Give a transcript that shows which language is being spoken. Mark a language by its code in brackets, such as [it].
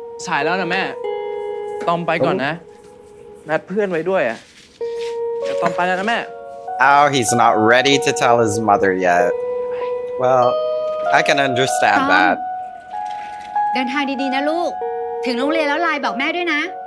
[th] สายแล้วนะแม่ตอมไปก่อนนะนัดเพื่อนไว้ด้วยอ่ะเดี๋ยวตอมไปแล้วนะแม่ [en] Oh, he's not ready to tell his mother yet. Well, I can understand that. [th] เดินทางดีๆนะลูกถึงโรงเรียนแล้วไลน์บอกแม่ด้วยนะ